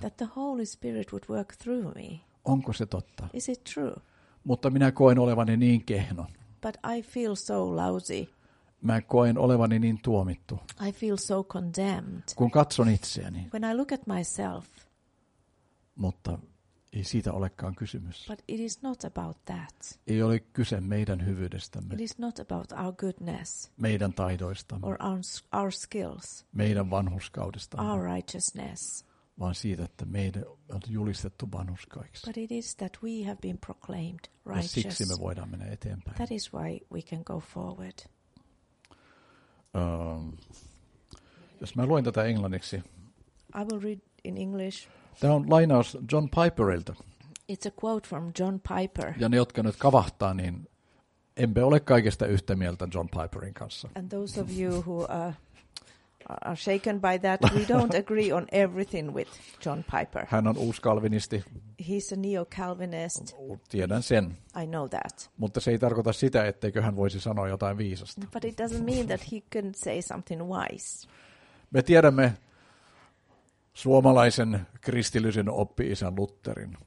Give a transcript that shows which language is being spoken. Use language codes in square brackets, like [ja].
[en] That the Holy Spirit would work through me. [fi] Onko se totta? [en] Is it true? [fi] Mutta minä koen olevani niin kehno. [en] But I feel so lousy. [fi] Mä koen olevani niin tuomittu. [en] I feel so condemned. [fi] Kun katson itseäni. [en] When I look at myself. [fi] Mutta ei siitä olekaan kysymys. [en] But it is not about that. [fi] Ei ole kyse meidän hyvyydestämme. [en] It is not about our goodness. [fi] Meidän taidoistamme. [en] Or our skills. [fi] Meidän vanhurskaudestamme. [en] Our righteousness. [fi] Vaan siitä, että meidän on julistettu vanhurskaiksi. [en] But it is that we have been proclaimed righteous. [fi] Ja siksi me voidaan mennä eteenpäin. [en] That is why we can go forward. [fi] Jos mä luen tätä englanniksi. [en] I will read in English. [fi] Tämä on lainaus John Piperilta. [en] It's a quote from John Piper. [fi] Ja ne, jotka nyt kavahtaa, niin emme ole kaikesta yhtä mieltä John Piperin kanssa. [en] And those of you who are shaken by that, we don't agree on everything with John Piper. [fi] Hän on uuskalvinisti. [en] He's a neo-calvinist. [fi] Tiedän sen. [en] I know that. [fi] Mutta se ei tarkoita sitä, etteikö hän voisi sanoa jotain viisasta. [en] But it doesn't mean that he can say something wise. [fi] Me tiedämme suomalaisen kristillisen oppi-isän Lutherin.